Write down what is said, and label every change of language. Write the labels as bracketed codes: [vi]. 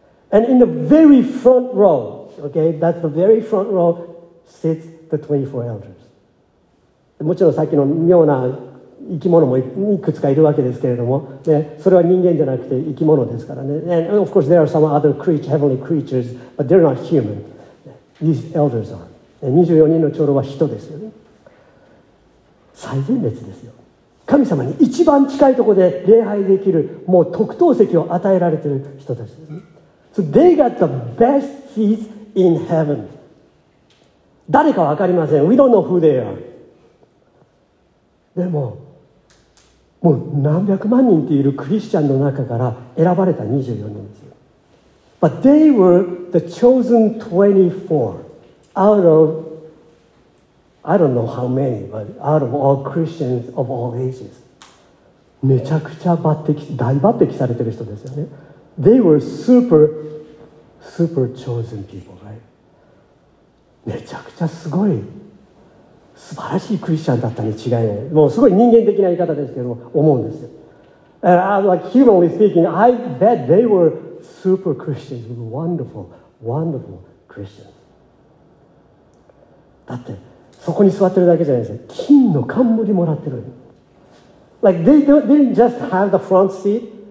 [en] And in the very front row, okay, that's the very front row, sits the 24 elders. [ja] もちろんさっきの妙な生き物もいくつかいるわけですけれども、ね、それは人間じゃなくて生き物ですからね。 [en] And of course there are some other creatures, heavenly creatures, but they're not human. These elders are. [ja] 24人の長老は人ですよね。最前列ですよ。神様に一番近いところで礼拝できる、もう特等席を与えられている人たちです。 [en] So they got the best seats in heaven. [ja] 誰か分かりません。 [en] We don't know who they are. [ja] でも、もう何百万人っているクリスチャンの中から選ばれた24人ですよ。 [en] But they were the chosen 24 out of. I don't know how many, but out of all Christians of all ages. [ja] めちゃくちゃ抜擢、大抜擢されてる人ですよね。 [en] They were super, super chosen people, right? [ja] めちゃくちゃすごい、素晴らしいクリスチャンだったに違いない。もうすごい人間的な言い方ですけど、思うんですよ。 [en] And like humanly speaking, I bet they were super Christians, wonderful, wonderful Christians. [ja] だって、そこに座ってるだけじゃないですよ。金の冠もらってる。 [en] Like they didn't just have the front seat.